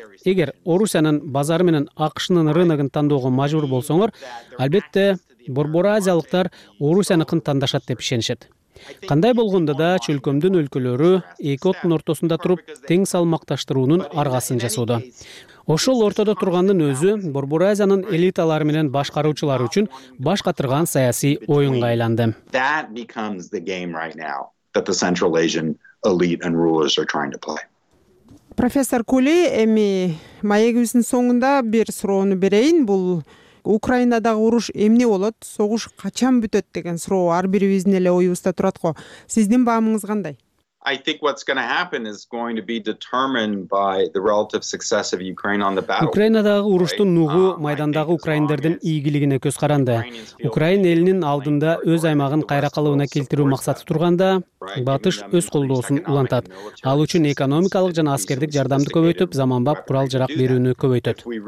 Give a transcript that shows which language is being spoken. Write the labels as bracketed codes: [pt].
[ky] Эгер Орусиянын базары менен АКШнын рыногун тандоого мажбур болсоңор, албетте Борбор Азиялыктар Орусиянын тандашат деп ишенишет. Кандай болгондо да чөлкөмдүн өлкөлөрү эки оттун ортосунда туруп тең салмакташтыруунун аргасын жасоодо. Ошол ортодо тургандын өзү Борбор Азиянын элиталары менен башкаруучулары үчүн баш катырган саясий оюнга айланды. [en] That becomes the game right now that the Central Asian elite and rulers are trying to play. [ky] Профессор Кули, эми маегибиздин соңунда бир суроону берейин. Бул Украинадагы уруш эмне болот, согуш качан бүтөт деген суроо ар бирибиздин эле оюбузда турат го. Сиздин баамыңыз кандай? [en] I think what's going to happen is going to be determined by the relative success of Ukraine on the battlefield. [ky] Украинадагы уруштун нугу майдандагы украиндердин ийгилигине көз каранды. Украин элинин алдында өз аймагын кайра калыбына келтирүү максаты турганда, батыш өз колдоосун улантат. Ал үчүн экономикалык жана аскердик жардамды көбөйтүп, заманбап курал-жарак берүүнү көбөйтөт.